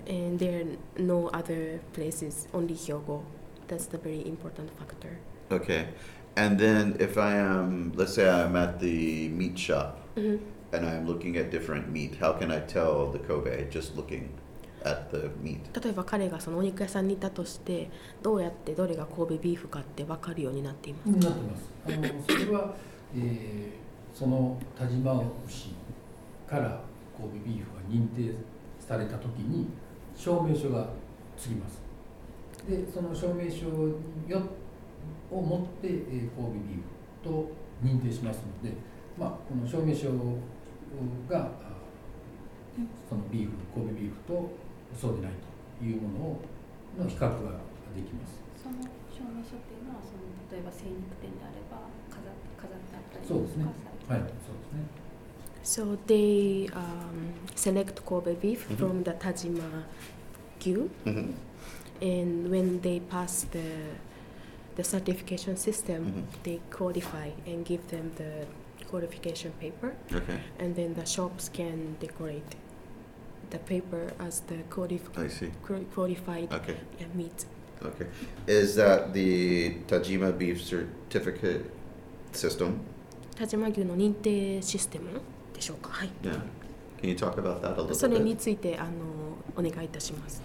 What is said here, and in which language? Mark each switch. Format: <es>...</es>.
<en>And there are no other places, only Hyogo. That's the very important factor. Okay. And then if I am, let's say I'm at the meat shop and I'm looking at different meat, how can I tell the Kobe just looking at the meat?</en> <ja>例えば彼がそのお肉屋さんにいたとしてどうやってどれが神戸ビーフかって分かるようになっていますか？なってます。それは、その田島牛から神戸ビーフが認定されたときに証明書がつきます。で、その証明書を持って、神戸ビーフと認定しますので、まあ、この証明書がそのビーフ、神戸ビーフとそうでないというものをの比較ができます。その証明書っていうのはその例えば精肉店であれば飾ってあったりとか、そうですね。はい、そうですね。</ja> <en>So they select Kobe beef from the Tajima Gyu, and when they pass the certification system, they qualify and give them the qualification paper. Okay. And then the shops can decorate the paper as the qualified meat. Okay. Is that the Tajima beef certificate system?</en> <ja>Tajima Gyu の認定システム。</ja> <en>Yeah. Can you talk about that a little bit?</en> <ja>それについてお願いいたします。</ja>